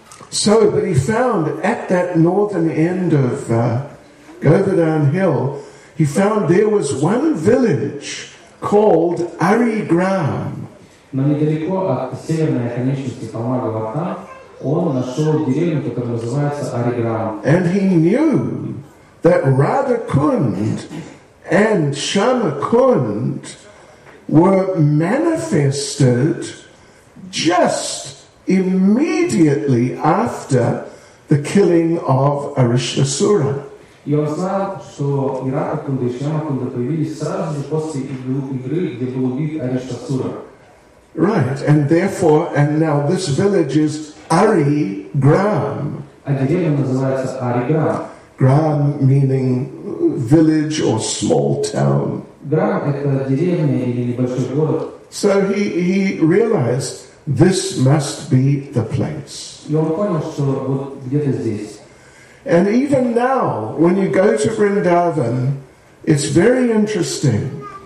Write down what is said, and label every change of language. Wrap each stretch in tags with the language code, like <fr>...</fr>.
<en>So, but he found at that northern end of Govardhan Hill, he found there was one village called Arigram.</en> <ru>Но недалеко от северной оконечности Палмагаватта он нашел деревню, которая называется Ариграм.</ru> <en>And he knew that Radhakund and Shyamakund were manifested just immediately after the killing of Arishasura.</en> <ru>И он знал, что и Радхакунда, и Шьямакунда появились сразу же после игры, где был убит Арештасура.</ru> <en>Right, and therefore, and now this village is Ariграм.</en> <ru>А деревня называется Ариграм.</ru> <en>Грам meaning village or small town.</en> <ru>Грам – это деревня или небольшой город.</ru> <en>So he realized this must be the place.</en> <ru>И он понял, что вот где-то здесь.</ru> <en>And even now, when you go to Vrindavan, it's very interesting.</en>